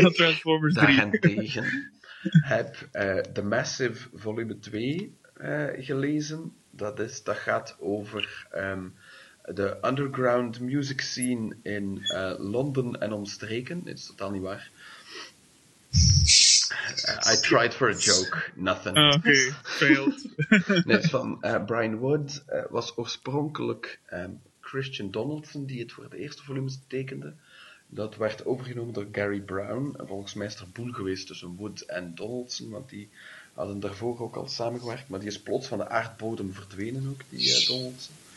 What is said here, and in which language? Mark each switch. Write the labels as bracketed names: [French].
[Dutch] Ik, Transformers 3. Daarentegen heb The Massive volume 2 gelezen. Dat gaat over de [English] underground music scene [Dutch] in Londen en omstreken. Dat is totaal niet waar. [English] I tried for a joke, nothing. [Dutch] Oké, failed. Net van Brian Wood was oorspronkelijk Christian Donaldson die het voor de eerste volumes tekende. Dat werd overgenomen door Gary Brown. Volgens mij is er boel geweest tussen Wood en Donaldson, want die hadden daarvoor ook al samengewerkt, maar die is plots van de aardbodem verdwenen ook, die Donaldson.